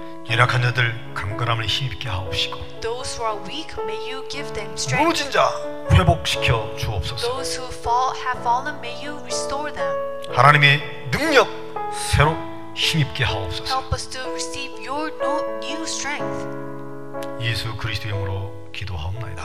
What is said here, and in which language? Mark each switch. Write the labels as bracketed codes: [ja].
[ko] 연약한 자들 강건함을 힘입게 하옵시고. [en] Those who are weak, may you give them strength. [ko] 무너진 자 회복시켜 주옵소서. [en] Those who fall, have fallen, may you restore them. [ko] 하나님의 능력 새로 힘입게 하옵소서. [en] Help us to receive your new strength. [ko] 예수 그리스도 이름으로 기도하옵나이다.